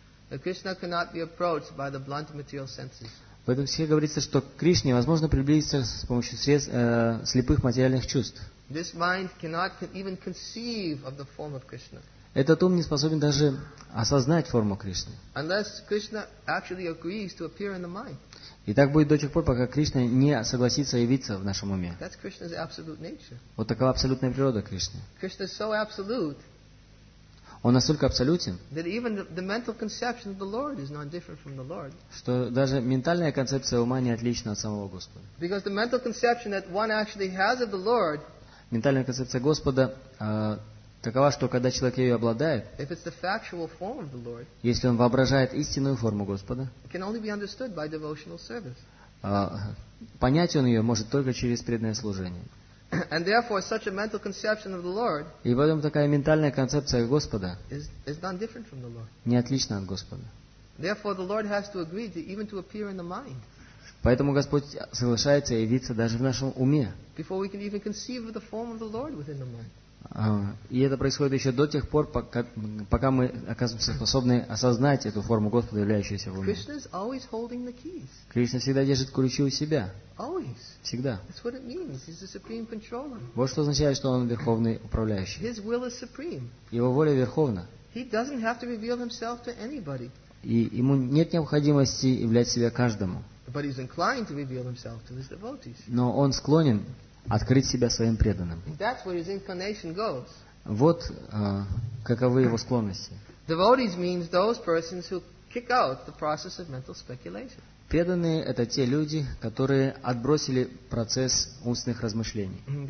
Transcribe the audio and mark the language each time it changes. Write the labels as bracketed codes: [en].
[en] The Krishna cannot be approached by the blunt material senses. [ru] В этом стихе говорится, что к Кришне невозможно приблизиться с помощью средств слепых материальных чувств. [en] This mind cannot even conceive of the form of Krishna. [ru] Этот ум не способен даже осознать форму Кришны. [en] Unless Krishna actually agrees to appear in the mind. [ru] И так будет до тех пор, пока Кришна не согласится явиться в нашем уме. [en] That's Krishna's absolute nature. [ru] Вот такова абсолютная природа Кришны. [en] Krishna is so absolute. [ru] Он настолько абсолютен, [en] that even the mental conception of the Lord is not different from the Lord. [ru] Что даже ментальная концепция ума не отлична от самого Господа. [en] Because the mental conception that one actually has of the Lord, [ru] ментальная концепция Господа такова, что когда человек ее обладает, [en] if it's the factual form of the Lord, [ru] если он воображает истинную форму Господа, [en] can only be understood by devotional service. [ru] Понять он ее может только через преданное служение. [en] And therefore, such a mental conception of the Lord [ru] и поэтому такая ментальная концепция Господа [en] is not different from the Lord. [ru] Не отлична от Господа. [en] Therefore, the Lord has to agree to even to appear in the mind. [ru] Поэтому Господь соглашается явиться даже в нашем уме. [en] Before we can even conceive of the form of the Lord within the mind. [ru] И это происходит еще до тех пор, пока мы оказываемся способны осознать эту форму Господа, являющуюся в уме. [en] Krishna is always holding the keys. [ru] Кришна всегда держит ключи у себя. [en] Always. [ru] Всегда. [en] That's what it means. He's the supreme controller. [ru] Вот что означает, что он верховный управляющий. [en] His will is supreme. [ru] Его воля верховна. [en] He doesn't have to reveal himself to anybody. [ru] И ему нет необходимости являть себя каждому. [en] But he's inclined to reveal himself to his devotees. [ru] Но он склонен открыть себя своим преданным. [en] That's where his inclination goes. [ru] Вот каковы его склонности. [en] Devotees means those persons who kick out the process of mental speculation. [ru] Преданные – это те люди, которые отбросили процесс умственных размышлений.